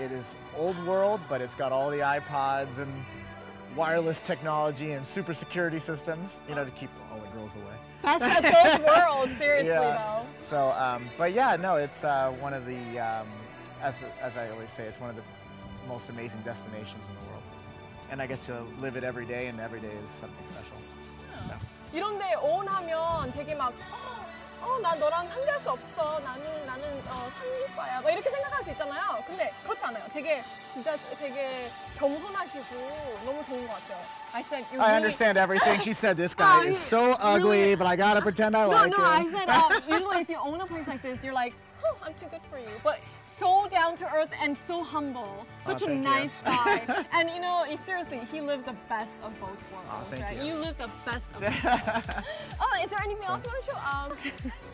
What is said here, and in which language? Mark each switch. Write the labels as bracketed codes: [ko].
[en] It is old world, but it's got all the iPods and wireless technology and super security systems, to keep all the girls away. That's the old world, seriously, though. So, it's one of the, as I always say, it's one of the most amazing destinations in the world. And I get to live it every day, and every day is something special. Yeah. So. [ko] 이런 데 온 하면 되게 막 나 너랑 상대할 수 없어. 나는 상류파야. 막 이렇게 생각할 수 있잖아요. 근데 그렇지 않아요. 되게 진짜 되게 겸손하시고 너무 좋은 것 같아요. [en] I said, you I understand everything she said. This guy is so ugly, really? But I gotta pretend I like him. No, I said, usually if you own a place like this, you're like, oh, I'm too good for you. But so down to earth and so humble. Such a nice guy. And seriously, he lives the best of both worlds. Oh, thank right? you. You live the best of both worlds. Oh, is there anything else you want to show?